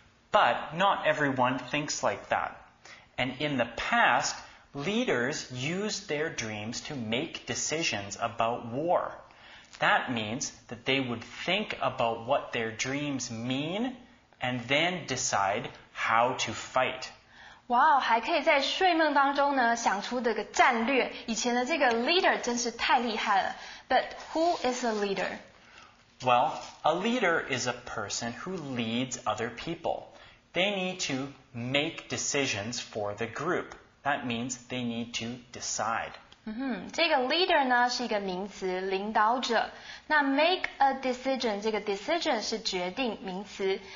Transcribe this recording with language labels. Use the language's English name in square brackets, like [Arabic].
[English] But not everyone thinks like that. And in the past, Leaders use their dreams to make decisions about war. That means that they would think about what their dreams mean and then decide how to fight. [Chinese] 哇哦，还可以在睡梦当中呢想出这个战略。以前的这个 leader 真是太厉害了。 [English] But who is a leader? Well, a leader is a person who leads other people. They need to make decisions for the group. That means they need to decide. [Chinese] 这个 leader 呢是一个名词，领导者。那 make a decision 这个 decision 是决定名词。